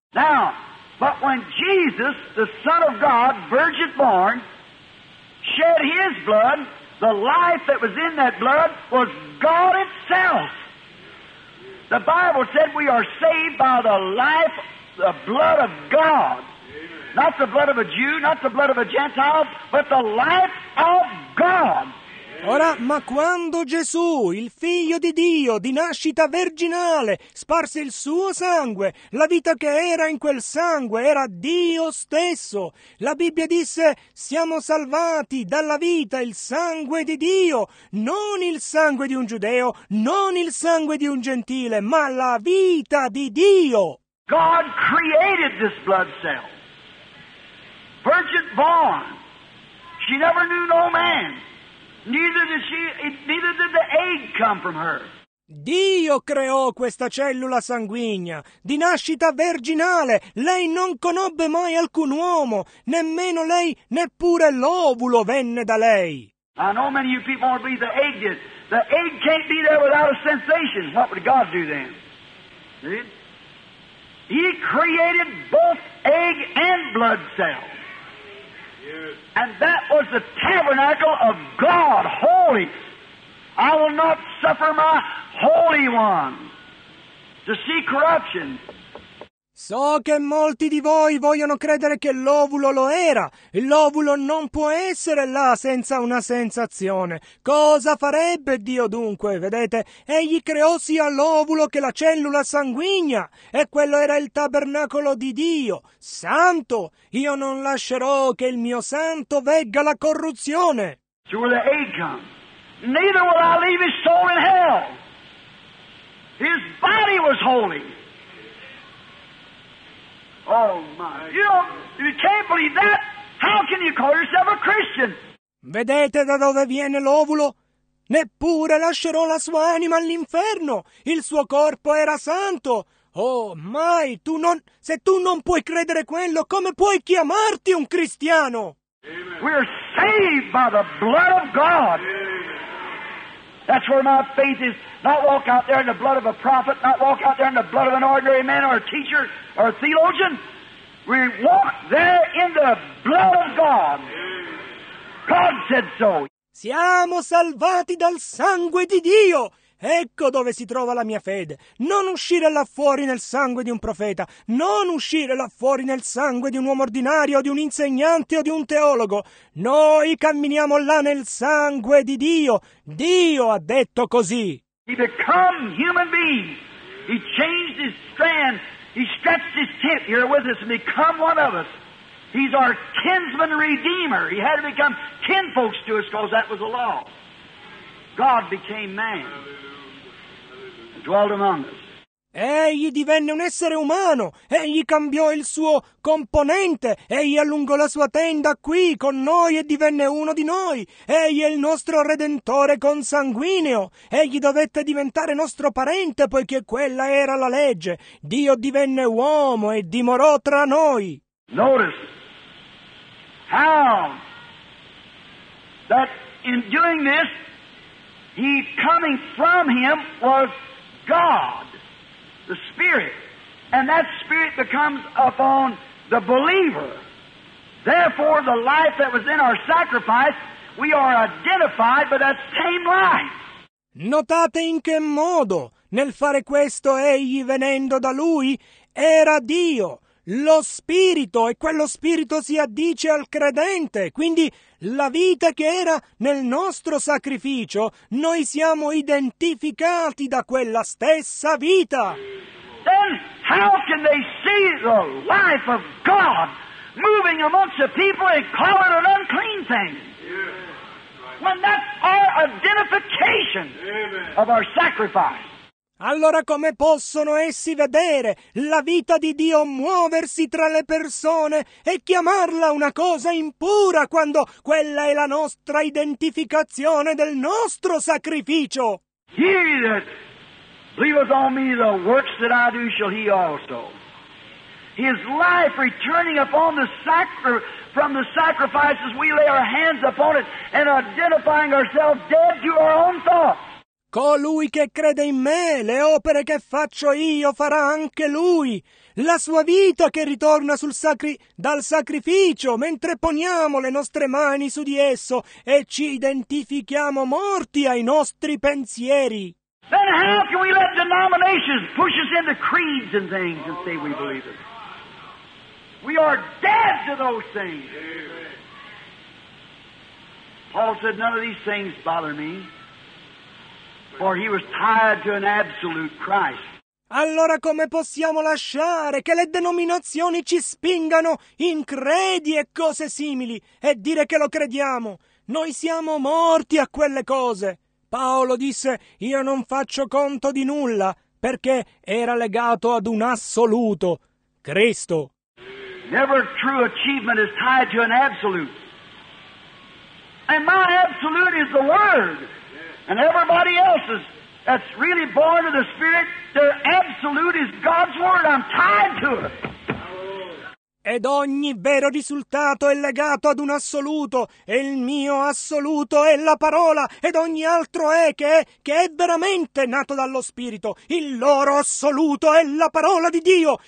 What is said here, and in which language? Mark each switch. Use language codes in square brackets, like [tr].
[en] Now, but when Jesus, the Son of God, virgin born, shed his blood, the life that was in that blood was God itself. The Bible said we are saved by the life, the blood of God. Amen. Not the blood of a Jew, not the blood of a Gentile, but the life of God. [it] Ora, ma quando Gesù, il figlio di Dio, di nascita virginale, sparse il suo sangue, la vita che era in quel sangue era Dio stesso. La Bibbia disse, siamo salvati dalla vita, il sangue di Dio, non il sangue di un giudeo, non il sangue di un gentile, ma la vita di Dio. [en] God created this blood cell. Virgin born. She never knew no man. Neither did the egg come from her. [it] Dio creò questa cellula sanguigna, di nascita virginale. Lei non conobbe mai alcun uomo, nemmeno lei, neppure l'ovulo venne da lei. [en] I know many of you people want to believe the egg did. The egg can't be there without a sensation. What would God do then? See? He created both egg and blood cells. And that was the tabernacle of God, holy. I will not suffer my Holy One to see corruption. [it] So che molti di voi vogliono credere che l'ovulo lo era. L'ovulo non può essere là senza una sensazione. Cosa farebbe Dio dunque? Vedete, egli creò sia l'ovulo che la cellula sanguigna. E quello era il tabernacolo di Dio. Santo! Io non lascerò che il mio santo vegga la corruzione. [en] To where the egg comes. neither will I leave his soul in hell. His body was holy. Oh, my. You can't believe that. How can you call yourself a Christian? [it] Vedete da dove viene l'ovulo? Neppure lascerò la sua anima all'inferno. Il suo corpo era santo. Oh, mai, tu non... Se tu non puoi credere quello, come puoi chiamarti un cristiano? [en] Amen. We're saved by the blood of God. Amen. That's where my faith is. Not walk out there in the blood of a prophet, not walk out there in the blood of an ordinary man or a teacher or a theologian. We walk there in the blood of God. Amen. God said so. [it] Siamo salvati dal sangue di Dio. Ecco dove si trova la mia fede. Non uscire là fuori nel sangue di un profeta. Non uscire là fuori nel sangue di un uomo ordinario, di un insegnante o di un teologo. Noi camminiamo là nel sangue di Dio. Dio ha detto così. [en] He became human being. He changed his strand. He stretched his tent here with us and become one of us. He's our kinsman redeemer. He had to become kinfolks to us because that was the law. God became man. Dwelt among us. [it] Egli divenne un essere umano, egli cambiò il suo componente, egli allungò la sua tenda qui con noi e divenne uno di noi, egli è il nostro redentore consanguineo, egli dovette diventare nostro parente poiché quella era la legge, Dio divenne uomo e dimorò tra noi. [en] Notice how that in doing this, he coming from him was God, the Spirit, and that Spirit becomes upon the believer. Therefore, the life that was in our sacrifice, we are identified by that same life. [it] Notate in che modo, nel fare questo, egli venendo da lui, era Dio, lo Spirito, e quello Spirito si addice al credente, quindi la vita che era nel nostro sacrificio, noi siamo identificati da quella stessa vita. [en] Then how can they see the life of God moving amongst the people and call it an unclean thing? Yeah. Right. When that's our identification. Amen. Of our sacrifice. [it] Allora come possono essi vedere la vita di Dio muoversi tra le persone e chiamarla una cosa impura quando quella è la nostra identificazione del nostro sacrificio? [en] He that believeth on me, the works that I do shall he also. His life returning upon the from the sacrifices we lay our hands upon it and identifying ourselves dead to our own thoughts. [it] Colui che crede in me, le opere che faccio io farà anche lui. La sua vita che ritorna dal sacrificio, mentre poniamo le nostre mani su di esso e ci identifichiamo morti ai nostri pensieri. [en] Then how can we let denominations push us into creeds and things and say we believe it? We are dead to those things. Paul said, none of these things bother me. For he was tied to an absolute Christ. [it] Allora come possiamo lasciare che le denominazioni ci spingano in credi e cose simili e dire che lo crediamo? Noi siamo morti a quelle cose. Paolo disse, io non faccio conto di nulla perché era legato ad un assoluto, Cristo. [en] Never true achievement is tied to an absolute. And my absolute is the Word. And everybody else's that's really born of the Spirit, their absolute is God's Word. I'm tied to it. [it] Ed ogni vero risultato è legato ad un assoluto, e il mio assoluto è la parola, ed ogni altro è che è veramente nato dallo Spirito. Il loro assoluto è la parola di Dio.